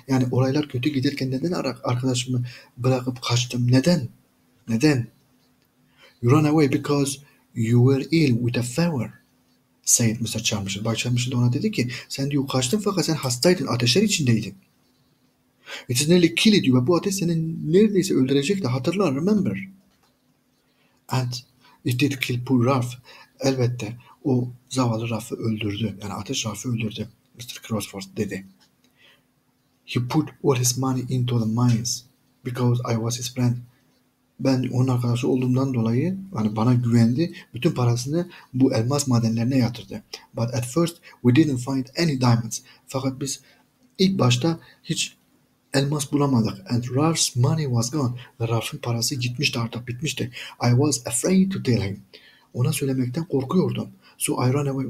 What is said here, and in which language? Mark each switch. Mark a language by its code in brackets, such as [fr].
[tr] Yani olaylar kötü giderken neden arkadaşımı bırakıp kaçtım? Neden? Neden? [en] You ran away because you were ill with a fever, said Mr. Chalmers. [tr] Bay Chalmers ona dedi ki, sen diyor kaçtın fakat sen hastaydın, ateşler içindeydin. [en] It is nearly killed you. [tr] Bu ateş seni neredeyse öldürecekti. Hatırla, remember. [en] And it did kill poor Ralph. [tr] Elbette o zavallı Ralph'ı öldürdü. Yani ateş Ralph'ı öldürdü, Mr. Crossford dedi. [en] He put all his money into the mines because I was his friend. [tr] Ben onun arkadaşı olduğumdan dolayı hani bana güvendi. Bütün parasını bu elmas madenlerine yatırdı. [en] But at first we didn't find any diamonds. [tr] Fakat biz ilk başta hiç elmas bulamadık. [en] And Ralph's money was gone. [tr] Ve Ralph'ın parası gitmişti artık, bitmişti. [en] I was afraid to tell him. [tr] Ona söylemekten korkuyordum. [en] So I ran away.